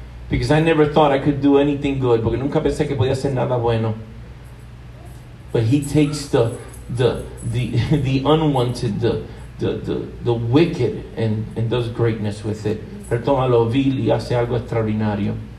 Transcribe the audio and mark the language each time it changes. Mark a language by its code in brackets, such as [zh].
[en] Because I never thought I could do anything good. [es] Porque nunca pensé que podía hacer nada bueno. [en] But he takes the unwanted, the wicked, and does greatness with it. [es] Él toma lo vil y hace algo extraordinario.